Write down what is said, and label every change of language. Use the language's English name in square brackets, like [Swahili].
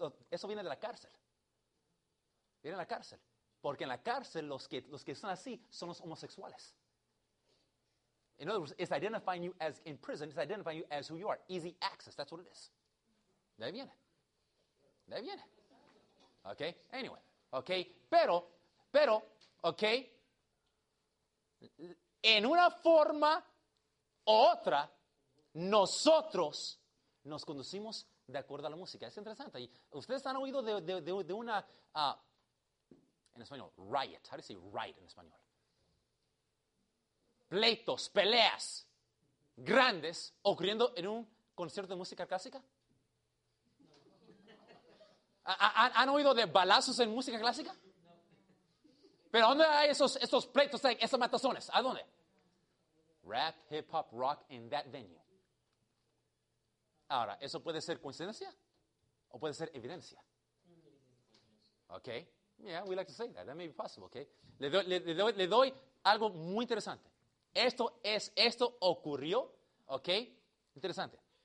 [Spanish] Eso viene de la cárcel. Viene de la cárcel. Porque en la cárcel los que son así son los homosexuales. [English] In other words, it's identifying you as in prison, it's identifying you as who you are. Easy access, that's what it is. [Spanish] De ahí viene. De ahí viene. Okay? Anyway. Okay? Pero, okay? En una forma u otra, nosotros nos conducimos de acuerdo a la música. Es interesante. Ustedes han oído de una, en español, riot. [English] How do you say riot [Spanish] en español? Pleitos, peleas grandes ocurriendo en un concierto de música clásica. ¿Han oído de balazos en música clásica? ¿Pero dónde hay esos pleitos, esos matazones? ¿A dónde? [English] Rap, hip hop, rock in that venue. [Spanish] Ahora, ¿eso puede ser coincidencia? ¿O puede ser evidencia? [English] Ok. Yeah, we like to say that. That may be possible, ok. [Spanish] Le doy algo muy interesante. Esto ocurrió, ok. Interesante.